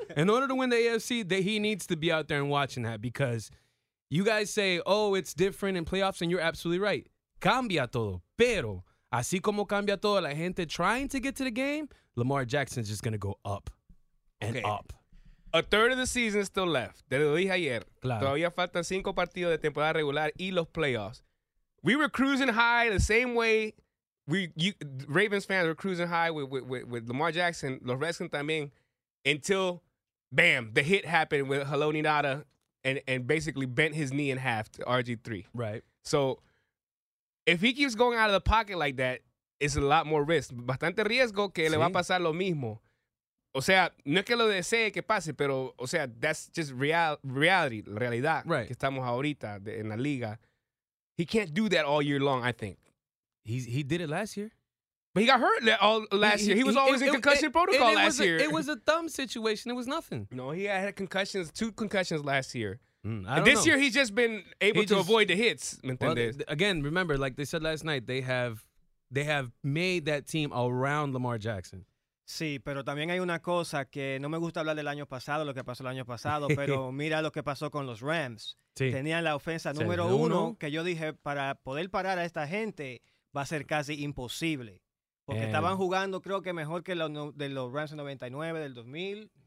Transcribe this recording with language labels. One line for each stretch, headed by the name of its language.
English: In order to win the AFC, he needs to be out there and watching that because you guys say, oh, it's different in playoffs, and you're absolutely right.
Spanish: Cambia todo. Pero, así como cambia todo, la gente
English: trying to get to the game, Lamar Jackson's just going to go up and up. A third of the season is still left.
Spanish: Te lo dije ayer. Claro. Todavía faltan 5 partidos de temporada regular y los playoffs.
English: We were cruising high the same way Ravens fans were cruising high with Lamar Jackson,
Spanish: los Redskins también,
English: until, bam, the hit happened with Haloni Ngata and basically bent his knee in half to RG3. Right. So if he keeps going out of the pocket like that, it's a lot more risk.
Spanish: Bastante riesgo que le va a pasar lo mismo. O sea, no es que lo desee que pase, pero, o sea,
English: that's just reality,
Spanish: la realidad que estamos ahorita en la liga.
English: He can't do that all year long, I think. He did it last year. But he got hurt last year. He was always in concussion protocol last year. It was a thumb situation. It was nothing. No, he had two concussions last year. This year, he's just been able to avoid the hits. Again, remember, like they said last night, they have made that team around Lamar Jackson.
Spanish: Sí, pero también hay una cosa que no me gusta hablar del año pasado, lo que pasó el año pasado, pero mira lo que pasó con los Rams. Sí. Tenían la ofensa número uno, que yo dije, para poder parar a esta gente va a ser casi imposible. Porque estaban jugando, creo que mejor que lo, de los Rams 99, del 2000.